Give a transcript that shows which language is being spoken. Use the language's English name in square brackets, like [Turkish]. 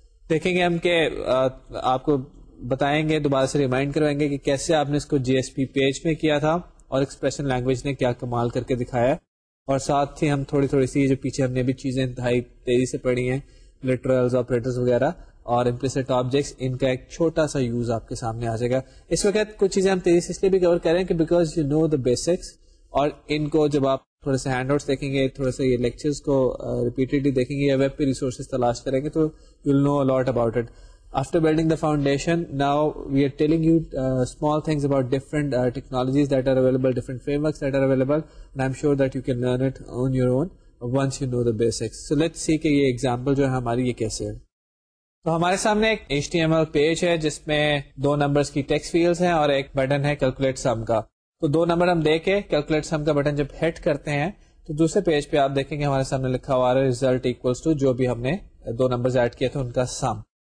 [Urdu] دیکھیں گے ہم کہ آپ کو بتائیں گے, دوبارہ سے ریمائنڈ کروائیں گے کہ کیسے آپ نے اس کو جی ایس پی پیج میں کیا تھا, اور ایکسپریشن لینگویج نے کیا کمال کر کے دکھایا, اور ساتھ ہی ہم تھوڑی تھوڑی سی جو پیچھے ہم نے بھی چیزیں انتہائی تیزی سے پڑھی ہیں, لٹرلز, آپریٹرز وغیرہ, اور امپلیسٹ آبجیکٹس, ان کا ایک چھوٹا سا یوز آپ کے سامنے آ جائے گا. اس وقت کچھ چیزیں ہم تیزی سے اس لیے بھی کور کریں کہ [English] because you know the basics, [Urdu] اور ان کو جب آپ تھوڑے سے ہینڈ آؤٹس دیکھیں گے, تھوڑے سے یہ لیکچرز کو ریپیٹیڈلی دیکھیں گے, یا ویب پہ ریسورسز تلاش کریں گے, تو [English] You will know a lot about it. After building the foundation, now we are telling you small things about different technologies that are available, different frameworks that are available, and I'm sure that you can learn it on your own once you know the basics. So let's see [Urdu] کہ یہ example جو ہے ہماری یہ کیسے ہے. تو ہمارے سامنے ایک H T M L page ہے جس میں دو نمبرس کی ٹیکسٹ فیلڈس ہیں اور ایک بٹن ہے کیلکولیٹ سم کا. تو دو نمبر ہم دے کے کیلکولیٹ سم کا بٹن جب ہٹ کرتے ہیں تو دوسرے پیج پہ آپ دیکھیں گے ہمارے سامنے لکھا ہوا ہے ریزلٹ ایکولس ٹو جو بھی ہم نے دو نمبر ایڈ کیا تھا ان کا سم.